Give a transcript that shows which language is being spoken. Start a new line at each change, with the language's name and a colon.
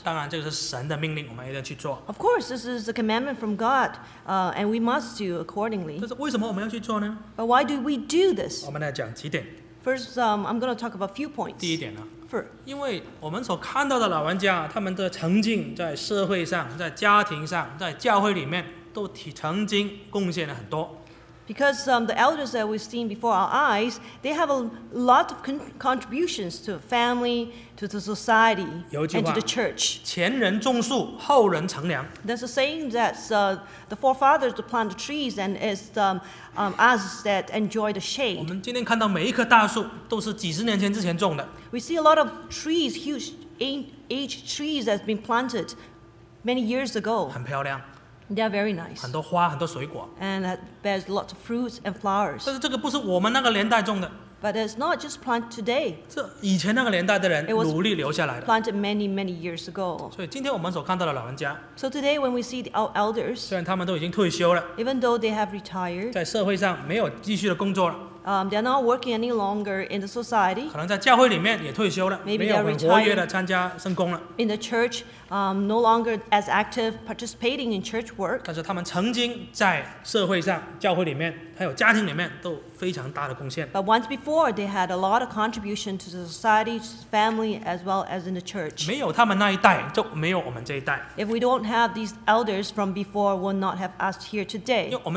Chinese: 当然这个是神的命令，我们一定要去做。
English: Of course, this is a commandment from God, and we must do accordingly.
Chinese: 但是为什么我们要去做呢？
English: But why do we do this?
Chinese: 我们来讲几点。
English: First, I'm going to talk about a few points.
Chinese: 第一点呢、啊、
English: First,
Chinese: 因为我们所看到的老人家，他们的曾经在社会上、在家庭上、在教会里面都曾经贡献了很多。
English: Because the elders that we've seen before our eyes, they have a lot of contributions to family, to the society, and to the church.
Chinese: 前人种树, 后人乘凉.
English: There's a saying that the forefathers plant the trees and it's us that enjoy the shade.
Chinese: 我们今天看到每一棵大树都是几十年前之前种的.
English: We see a lot of trees, huge aged trees that's been planted many years ago.
Chinese: 很漂亮.
English: They are very nice.
Chinese: 很多花, 很多水果,
English: and that bears lots of fruits and flowers.
Chinese: 但是这个不是我们那个年代种的,
English: but it's not just planted today.
Chinese: 这以前那个年代的人努力留下来的,
English: it was planted many, many years ago.
Chinese: 所以今天我们所看到的老人家,
English: so today when we see the elders,
Chinese: 虽然他们都已经退休了,
English: even though they have retired,
Chinese: 在社会上没有继续的工作了,
English: they are not working any longer in the society.
Chinese: 可能在教会里面也退休了,
English: maybe
Chinese: 没有很活跃地参加圣工了,
English: in the church, no longer as active participating in church work.
Chinese: 但是他们曾经在社会上, 教会里面, 还有家庭里面,
English: but once before, they had a lot of contribution to the society, family, as well as in the church.
Chinese: 没有他们那一代,
English: if we don't have these elders from before, we'll not have us here today.